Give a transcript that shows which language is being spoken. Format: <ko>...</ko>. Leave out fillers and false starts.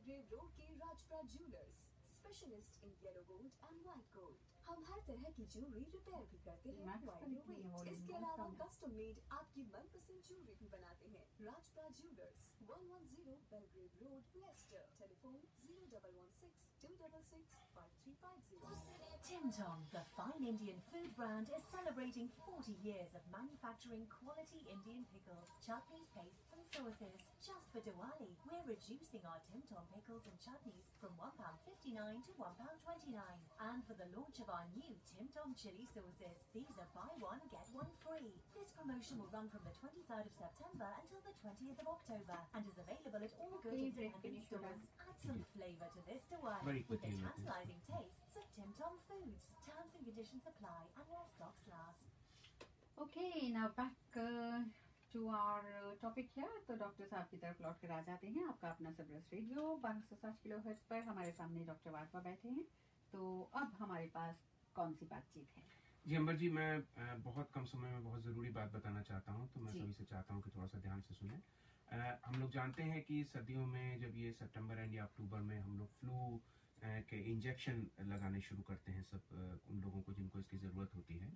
<en>specialist in yellow gold and white gold</en> <hi>हम हर तरह की ज्वेलरी रिपेयर भी करते हैं इसके अलावा कस्टम मेड आपकी मनपसंद ज्वेलरी भी बनाते हैं Rajpura jewellers 110 Belgrave road Lester telephone 0116-266-5350</hi> <en>Tim Tom the fine Indian food brand is celebrating 40 years of manufacturing quality Indian pickles chutneys paste Sources just for Diwali. We're reducing our Tim Tom pickles and chutneys from £1.59 to £1.29. And for the launch of our new Tim Tom chili sauces, these are buy one, get one free. This promotion will run from the 23rd of September until the 20th of October and is available at all good independent stores. Add some flavor to this Diwali with the tantalizing tastes of Tim Tom foods. Terms and conditions apply and while stocks last. Okay, now back. To our topic here,</en> <hi>तो doctor साहब की तरफ लौट कर आ जाते हैं आपका अपना सबरस रेडियो 1260 किलोहर्ट्ज़ पर हमारे सामने डॉक्टर वाडवा बैठे हैं तो अब हमारे पास कौन सी बातचीत है जी अंबर जी मैं बहुत कम समय में बहुत जरूरी बात बताना चाहता हूँ तो मैं सभी से चाहता हूँ कि थोड़ा सा ध्यान से सुने हम लोग जानते हैं कि सर्दियों में जब ये सितंबर एंड या अक्टूबर में हम लोग फ्लू के इंजेक्शन लगाने शुरू करते हैं सब उन लोगों को जिनको इसकी जरूरत होती है</hi>